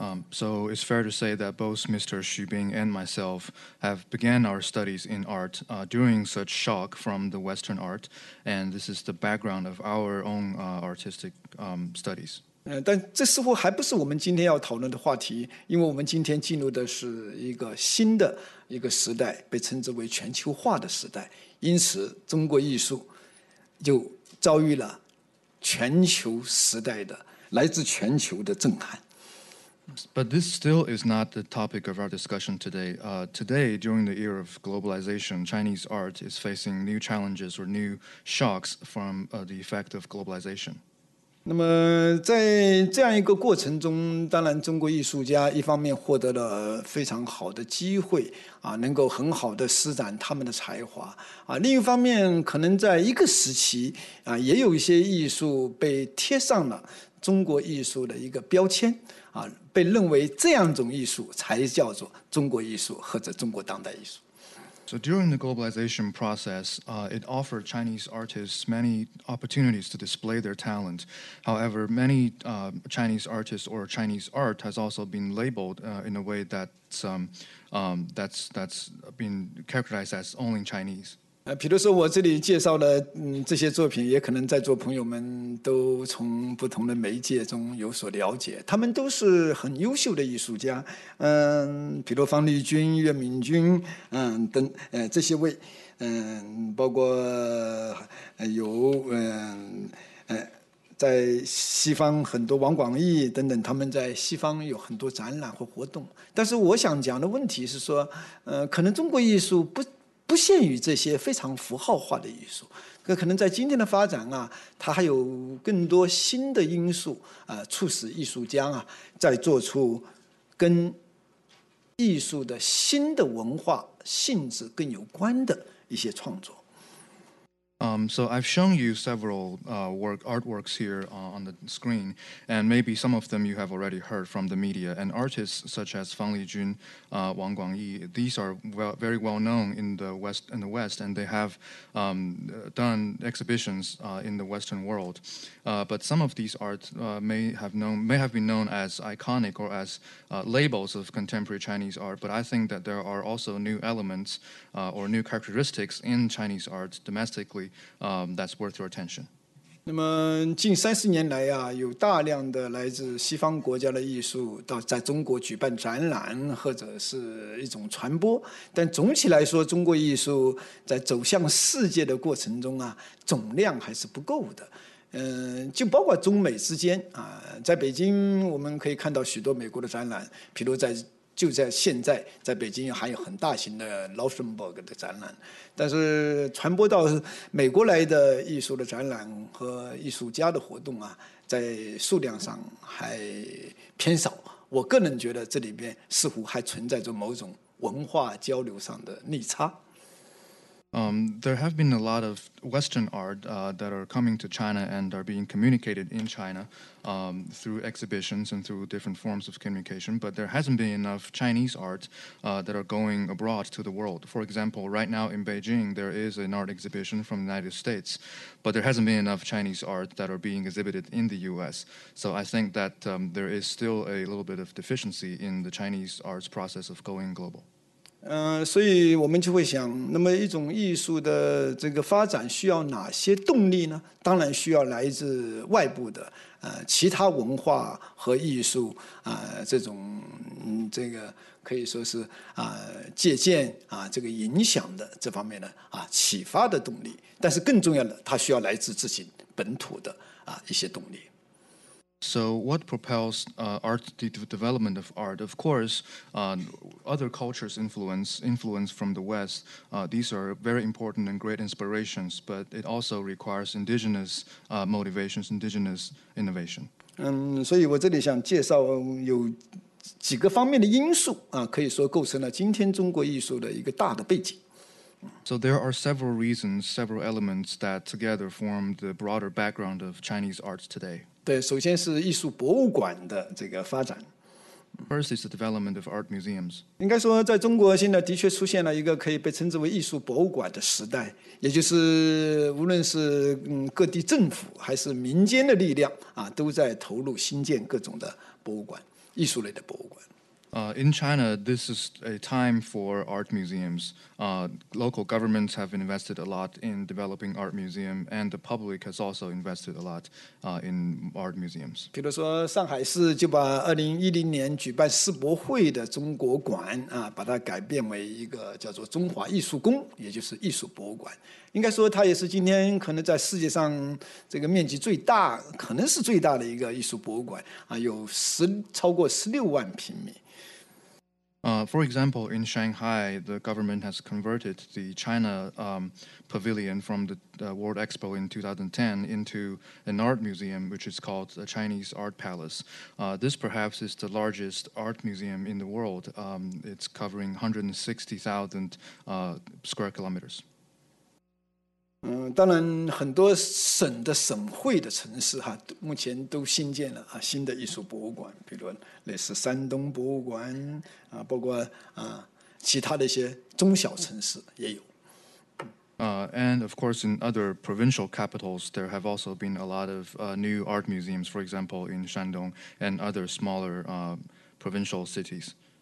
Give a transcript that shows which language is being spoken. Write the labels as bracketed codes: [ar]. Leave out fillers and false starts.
[en] So it's fair to say that both Mr. Xu Bing and myself have began our studies in art during such shock from the Western art, and this is the background of our own artistic studies. [zh] 但这似乎还不是我们今天要讨论的话题，因为我们今天进入的是一个新的一个时代，被称之为全球化的时代，因此中国艺术就遭遇了全球时代的来自全球的震撼。 [en] But this still is not the topic of our discussion today. Today, during the era of globalization, Chinese art is facing new challenges or new shocks from the effect of globalization. [zh] 那么在这样一个过程中，当然中国艺术家一方面获得了非常好的机会啊，能够很好的施展他们的才华啊，另一方面可能在一个时期啊，也有一些艺术被贴上了中国艺术的一个标签啊，被认为这样一种艺术才叫做中国艺术或者中国当代艺术。 [en] So during the globalization process, it offered Chinese artists many opportunities to display their talent. However, many Chinese artists or Chinese art has also been labeled in a way that's been characterized as only Chinese. [zh] 比如说我这里介绍的这些作品，也可能在座朋友们都从不同的媒介中有所了解，他们都是很优秀的艺术家，比如方力钧、岳敏君等这些位，包括有在西方很多王广义等等，他们在西方有很多展览或活动。但是我想讲的问题是说，可能中国艺术不限于这些非常符号化的艺术，可能在今天的发展啊，它还有更多新的因素啊，促使艺术家啊，在做出跟艺术的新的文化性质更有关的一些创作。 [en] So I've shown you several artworks here on the screen, and maybe some of them you have already heard from the media. And artists such as Fang Lijun, Wang Guangyi, these are very well known in the West, and they have done exhibitions in the Western world. But some of these art may have been known as iconic or as labels of contemporary Chinese art. But I think that there are also new elements or new characteristics in Chinese art domestically. That's worth your attention. [zh] 那么近三十年来啊，有大量的来自西方国家的艺术到在中国举办展览或者是一种传播，但总体来说，中国艺术在走向世界的过程中啊，总量还是不够的。就包括中美之间啊，在北京我们可以看到许多美国的展览，比如在现在在北京还有很大型的 Lauschenberg 的展览，但是传播到美国来的艺术的展览和艺术家的活动啊，在数量上还偏少。我个人觉得这里边似乎还存在着某种文化交流上的逆差。 [en] There have been a lot of Western art that are coming to China and are being communicated in China through exhibitions and through different forms of communication, but there hasn't been enough Chinese art that are going abroad to the world. For example, right now in Beijing, there is an art exhibition from the United States, but there hasn't been enough Chinese art that are being exhibited in the U.S. So I think that there is still a little bit of deficiency in the Chinese arts process of going global. [zh] 所以我们就会想，那么一种艺术的这个发展需要哪些动力呢？当然需要来自外部的，其他文化和艺术，这种，这个可以说是，借鉴，这个影响的这方面的，启发的动力。但是更重要的，它需要来自自己本土的，一些动力。 [en] So what propels art, the development of art? Of course, other cultures influence from the West, these are very important and great inspirations, but it also requires indigenous motivations, indigenous innovation. [zh] 所以我这里想介绍有几个方面的因素，可以说构成了今天中国艺术的一个大的背景。 [en] So there are several reasons, several elements that together form the broader background of Chinese arts today. [zh] 对，首先是艺术博物馆的这个发展。 [en] First is the development of art museums. [zh] 应该说，在中国现在的确出现了一个可以被称之为艺术博物馆的时代，也就是无论是各地政府还是民间的力量啊，都在投入新建各种的博物馆，艺术类的博物馆。 [en] In China, this is a time for art museums. Local governments have invested a lot in developing art museums, and the public has also invested a lot in art museums. [zh] 比如说上海市就把2010年举办世博会的中国馆，把它改变为一个叫做中华艺术宫，也就是艺术博物馆。应该说它也是今天可能在世界上这个面积最大，可能是最大的一个艺术博物馆，有超过16万平米。 [en] For example, in Shanghai, the government has converted the China pavilion from the World Expo in 2010 into an art museum, which is called the Chinese Art Palace. This perhaps is the largest art museum in the world. It's covering 160,000 square kilometers. [zh] 当然很多省的省会的城市哈，目前都新建了新的艺术博物馆，比如类似山东博物馆包括其他的一些中小城市也有。 [en] And of course, in other provincial capitals, there have also been a lot of new art museums, for example, in Shandong and other smaller provincial cities.